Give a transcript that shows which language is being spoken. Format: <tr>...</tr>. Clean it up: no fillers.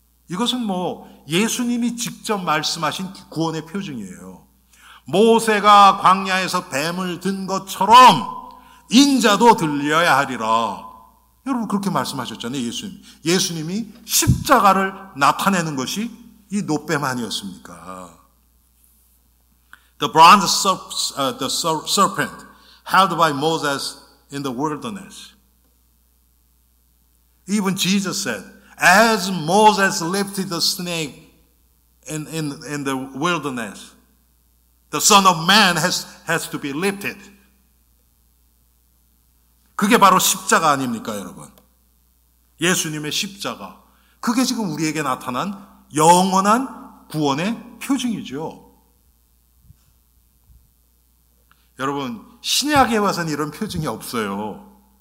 <ko>이것은 뭐 예수님이 직접 말씀하신 구원의 표징이에요. 모세가 광야에서 뱀을 든 것처럼 인자도 들려야 하리라. 여러분, 그렇게 말씀하셨잖아요, 예수님. 예수님이 십자가를 나타내는 것이 이 노뱀 아니었습니까?</ko> <en>The serpent held by Moses in the wilderness. Even Jesus said, as Moses lifted the snake in the wilderness, the Son of Man has to be lifted.</en> <ko>그게 바로 십자가 아닙니까, 여러분? 예수님의 십자가. 그게 지금 우리에게 나타난 영원한 구원의 표징이죠. 여러분, 신약에 와서는 이런 표징이 없어요.</ko>